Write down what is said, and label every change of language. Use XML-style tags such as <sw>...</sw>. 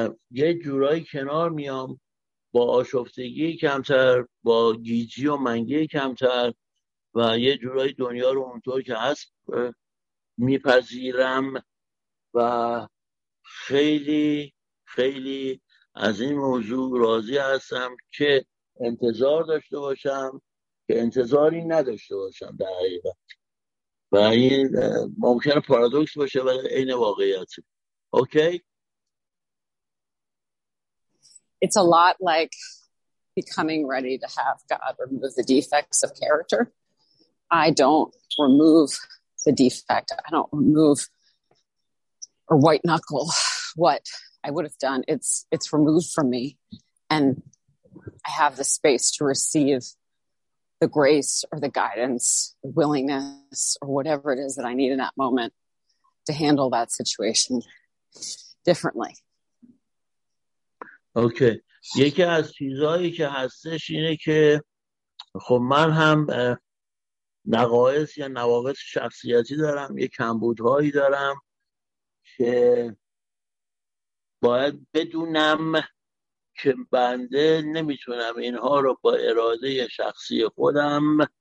<fa>یه جورایی کنار میام، با آشفتگی کمتر، با گیجی و منگی کمتر و یه جورایی دنیا رو اونطور که هست میپذیرم و خیلی خیلی از این موضوع راضی هستم که انتظار داشته باشم که انتظاری نداشته باشم در حقیقت. و این ممکنه پارادوکس باشه ولی این واقعیت. اوکی؟</fa> <en>It's a lot like becoming ready to have God remove the defects of character. I don't remove the defect. I don't remove or white knuckle what I would have done. It's removed from me. And I have the space to receive the grace or the guidance, the willingness, or whatever it is that I need in that moment to handle that situation differently.</en> <fa>اوکی. یکی از چیزهایی که هستش اینه که خب من هم نقایص یا نواقص شخصیتی دارم، یه کمبودهایی دارم که باید بدونم که بنده نمیتونم اینها رو با اراده شخصی خودم</fa>